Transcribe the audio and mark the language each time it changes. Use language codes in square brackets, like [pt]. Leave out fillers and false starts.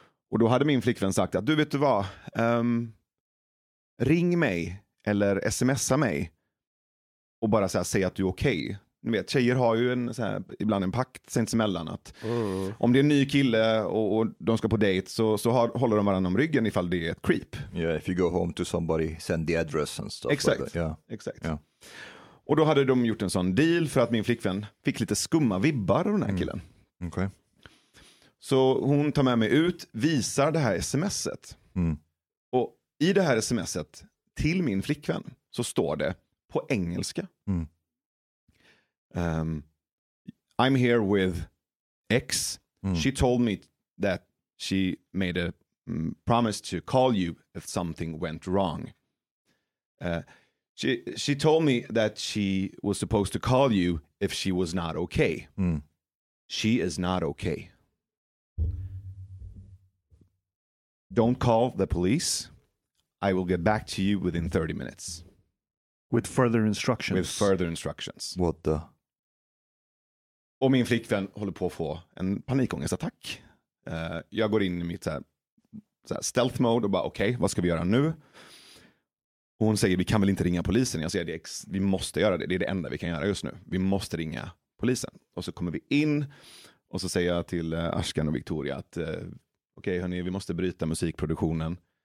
[sv] Och då hade min flickvän sagt att, du vet du vad, ring mig eller smsa mig och bara säg att du är okej. Okay. Ni vet, tjejer har ju en, så här, ibland en pakt sinsemellan att om det är en ny kille och de ska på dejt, så håller de varandra om ryggen ifall det är ett creep. [en] Yeah, if you go home to somebody, send the address and stuff. [sv] Exakt, [en] like yeah. [sv] Exakt. [en] Yeah. [sv] Och då hade de gjort en sån deal för att min flickvän fick lite skumma vibbar av den här killen. [en] Okay. [sv] Så hon tar med mig ut, visar det här smset. Mm. Och i det här smset till min flickvän så står det på engelska. Mm. [en] I'm here with X. She told me that she made a promise to call you if something went wrong. She told me that she was supposed to call you if she was not okay. She is not okay. Don't call the police. I will get back to you within 30 minutes. With further instructions. With further instructions. What the... [sv] Och min flickvän håller på att få en panikångestattack. Jag går in i mitt så här stealth mode och bara, okej, vad ska vi göra nu? Och hon säger, vi kan väl inte ringa polisen? Jag säger, vi måste göra det. Det är det enda vi kan göra just nu. Vi måste ringa polisen. Och så kommer vi in och så säger jag till Ashkan och Victoria att okej, hörni, vi måste bryta musikproduktionen.